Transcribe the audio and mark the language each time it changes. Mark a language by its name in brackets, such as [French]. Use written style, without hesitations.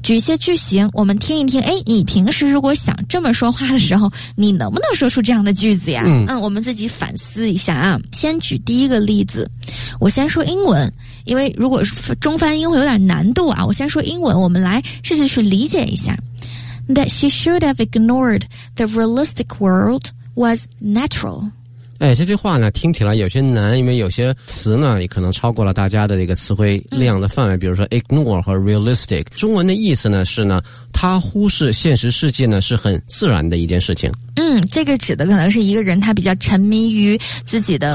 [Chinese] 举一些句型我们听一听，诶，你平时如果想这么说话的时候，你能不能说出这样的句子呀？嗯，我们自己反思一下啊。先举第一个例子，我先说英文，因为如果中翻英会有点难度啊，我先说英文，我们来试试去理解一下。 [English] That she should have ignored the realistic world was natural。 [Chinese] 哎，这句话呢听起来有些难，因为有些词呢也可能超过了大家的这个词汇量的范围，比如说 ignore 和 realistic， 中文的意思呢是呢，他忽视现实世界呢是很自然的一件事情。嗯，这个指的可能是一个人他比较沉迷于自己的